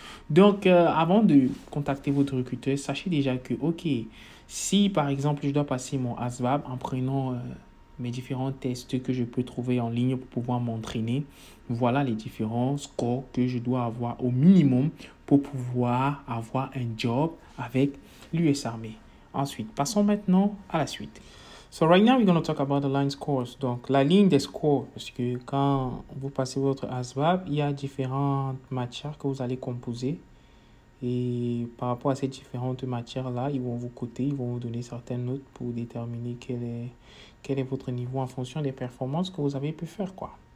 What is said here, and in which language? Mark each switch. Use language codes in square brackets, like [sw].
[fr] Donc, avant de contacter votre recruteur, sachez déjà que, ok, si par exemple je dois passer mon ASVAB en prenant mes différents tests que je peux trouver en ligne pour pouvoir m'entraîner, voilà les différents scores que je dois avoir au minimum pour pouvoir avoir un job avec l'US Army. Ensuite, passons maintenant à la suite. [en] So, right now we're going to talk about the line scores. [fr] Donc, la ligne des scores, parce que quand vous passez votre ASVAB, il y a différentes matières que vous allez composer. Et par rapport à ces différentes matières-là, ils vont vous coter, ils vont vous donner certaines notes pour déterminer quel est votre niveau en fonction des performances que vous avez pu faire, quoi.